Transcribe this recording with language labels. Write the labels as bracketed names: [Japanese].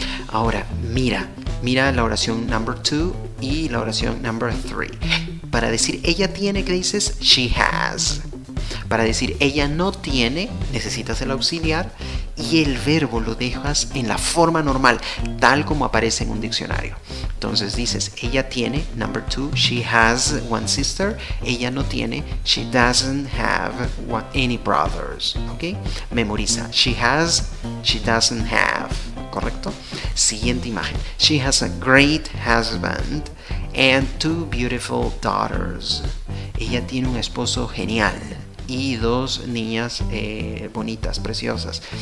[Spanish] Ahora mira la oración number 2 y la oración number 3. Para decir ella tiene, ¿qué dices? She has. Para decir ella no tiene, necesitas el auxiliar y el verbo lo dejas en la forma normal, tal como aparece en un diccionario. Entonces dices, ella tiene, [English] number 2, she has one sister. [Spanish] Ella no tiene, [English] she doesn't have any brothers. ¿Okay? [Spanish] Memoriza, [English] she has, she doesn't have. [Spanish] ¿Correcto? Siguiente imagen. [English] She has a great husband and two beautiful daughters. [Spanish] Ella tiene un esposo genial y dos niñas bonitas, preciosas.